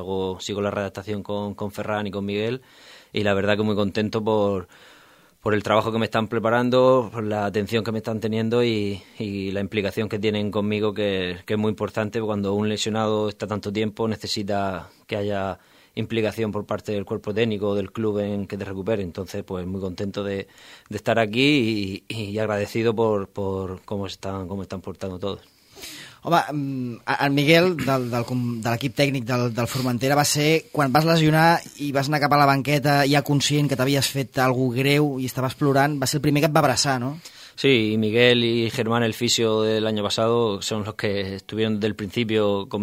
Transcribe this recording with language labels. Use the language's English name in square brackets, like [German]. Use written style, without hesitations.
[Spanish] Hago, sigo la readaptación con Ferran y con Miguel, y la verdad que muy contento por el trabajo que me están preparando, por la atención que me están teniendo y la implicación que tienen conmigo, que es muy importante. Cuando un lesionado está tanto tiempo, necesita que haya implicación por parte del cuerpo técnico o del club en que te recupere. Entonces, pues muy contento de estar aquí y agradecido por cómo están portando todos. [Catalan] Home, el Miguel, de l'equip tècnic del Formentera, va ser quan vas lesionar i vas anar cap a la banqueta ja conscient que t'havies fet algo greu i estaves plorant, va ser el primer que et va abraçar, no? [Spanish] Sí, y Miguel y Germán, el fisio del año pasado, son los que estuvieron desde el principio.